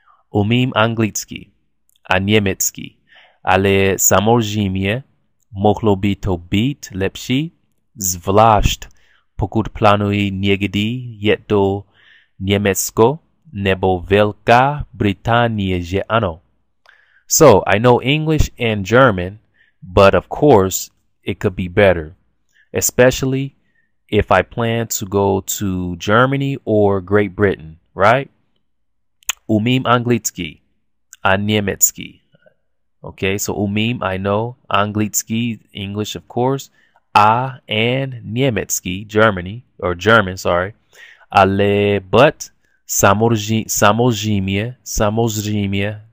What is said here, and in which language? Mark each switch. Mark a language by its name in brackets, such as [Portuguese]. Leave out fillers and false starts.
[Czech] Umím anglicky a německy, ale samozřejmě mohlo by to být lepší, zvlášť pokud plánuji někdy jet do Německo nebo Velká Británie, že ano. [English] So, I know English and German, but of course, it could be better, especially if I plan to go to Germany or Great Britain, right? [Czech] Umím anglicky a německy. [English] Okay, so [Czech] umím, [English] I know, [Czech] anglicky, [English] English, of course, a and [Czech] Niemetsky, [English] Germany, or German, sorry. [Czech] Ale, [English] but, [Czech] samozřejmě,